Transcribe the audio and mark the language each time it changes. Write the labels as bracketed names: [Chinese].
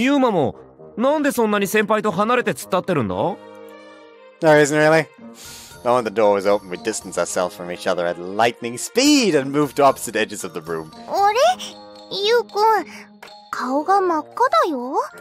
[Japanese] ユーマもなんでそんなに先輩と離れて突っ立ってるんだ? [English] No, isn't really? The moment the door was open, we distanced ourselves from each other at lightning speed and moved to opposite edges of the room. [Japanese] あれ? ユー君、顔が真っ赤だよ?